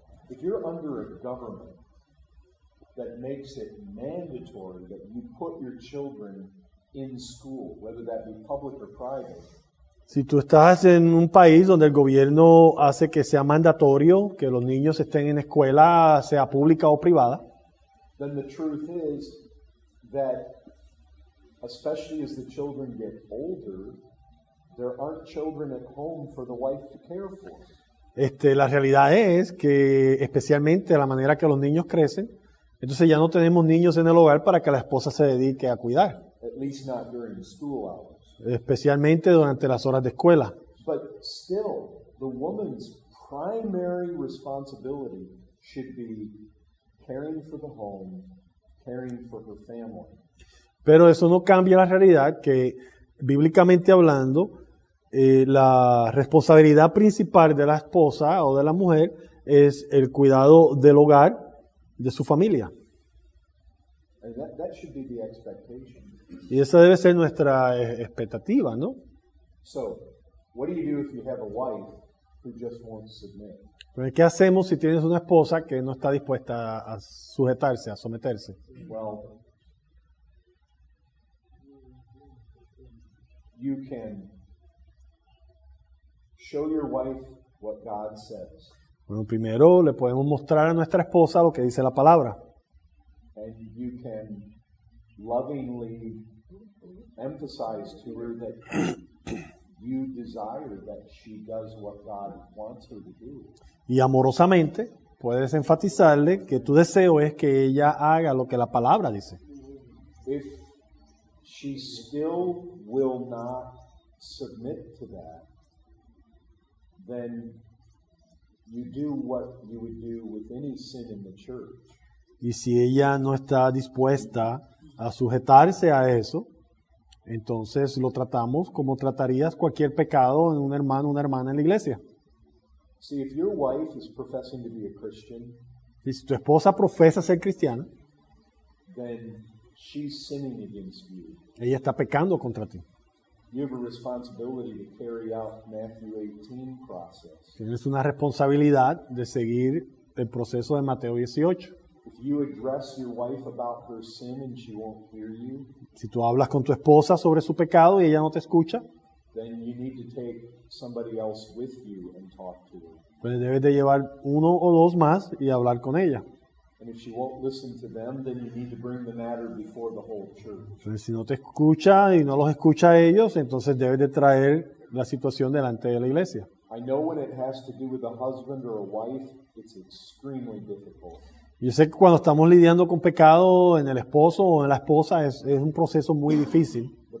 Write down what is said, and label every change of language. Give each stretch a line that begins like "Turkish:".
English: If you're under a government that makes it mandatory that you put your children in school, whether that be public or private.
Spanish: Si tú estás en un país donde el gobierno hace que sea mandatorio que los niños estén en escuela, sea pública o privada,
English: then the truth is that especially as the children get older, there aren't children at home for the wife to care for.
Spanish: La realidad es que especialmente a la manera que los niños crecen, entonces ya no tenemos niños en el hogar para que la esposa se dedique a cuidar.
English: At least not during the school hours.
Spanish: Especialmente durante las horas de escuela.
English: But still, the woman's primary responsibility should be caring for the home, caring for her family.
Spanish: Pero eso no cambia la realidad que bíblicamente hablando, la responsabilidad principal de la esposa o de la mujer es el cuidado del hogar, de su familia.
English: That should be the expectation.
Spanish: Y esa debe ser nuestra expectativa, ¿no?
English: So, what do you do if you have a wife who just won't submit?
Spanish: Pero ¿qué hacemos si tienes una esposa que no está dispuesta a sujetarse, a someterse?
English: Well, you can show your wife what God says.
Spanish: Bueno, primero le podemos mostrar a nuestra esposa lo que dice la palabra.
English: And you can lovingly emphasize to her that you desire that she does what God wants her to do.
Spanish: Y amorosamente puedes enfatizarle que tu deseo es que ella haga lo que la palabra dice.
English: If she still will not submit to that, then you do what you would do with any sin in the church.
Spanish: Y si ella no está dispuesta a sujetarse a eso, entonces lo tratamos como tratarías cualquier pecado en un hermano o una hermana en la iglesia.
English: See, if your wife is professing to be a Christian,
Spanish: y si tu esposa profesa ser cristiana,
English: then she's sinning against you.
Spanish: Ella está pecando contra ti.
English: You have a responsibility to carry out Matthew 18 process.
Spanish: Tienes una responsabilidad de seguir el proceso de Mateo 18.
English: If you address your wife about her sin and she won't hear you,
Spanish: si tú hablas con tu esposa sobre su pecado y ella no te escucha,
English: then you need to take somebody else with you and talk to her.
Spanish: Pues debes de llevar uno o dos más y hablar con ella.
English: And if she won't listen to them, then you need to bring the matter before the whole church.
Spanish: Pues si no te escucha y no los escucha a ellos, entonces debes de traer la situación delante de la iglesia.
English: I know when it has to do with a husband or a wife, it's extremely difficult.
Spanish: Yo sé que cuando estamos lidiando con pecado en el esposo o en la esposa es un proceso muy difícil.